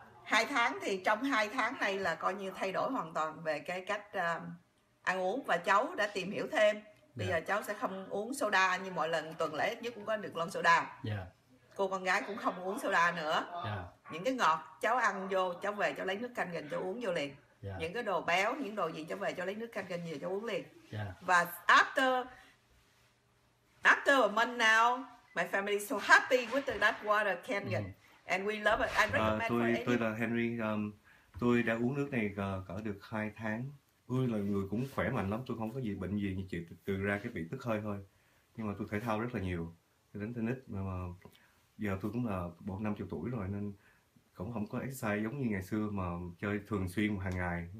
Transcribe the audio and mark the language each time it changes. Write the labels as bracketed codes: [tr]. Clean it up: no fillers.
[vi] 2 tháng thì trong 2 tháng này là coi như thay đổi hoàn toàn về cái cách ăn uống và cháu đã tìm hiểu thêm. Bây [en] yeah. [vi] giờ cháu sẽ không uống soda như mọi lần tuần lễ nhất cũng có được lon soda. [en] Yeah. [vi] Cô con gái cũng không uống soda nữa. [en] Yeah. [vi] Những cái ngọt cháu ăn vô, cháu về cháu lấy nước Kangen cho uống vô liền. [en] Yeah. [vi] Những cái đồ béo, những đồ gì cho về cho lấy nước Kangen nhiều cho uống liền. [en] Yeah. Và after a month now, my family is so happy with the that water Kangen. Mm. And we love it. I recommend it. [vi] Tôi là Henry. Tôi đã uống nước này cỡ được 2 tháng. Tôi là người cũng khỏe mạnh lắm, tôi không có gì bệnh gì, chỉ trừ ra cái bị tức hơi thôi. Nhưng mà tôi thể thao rất là nhiều, tôi đánh tennis. Mà giờ tôi cũng là 40-50 tuổi rồi nên cũng không có exercise giống như ngày xưa mà chơi thường xuyên hàng ngày.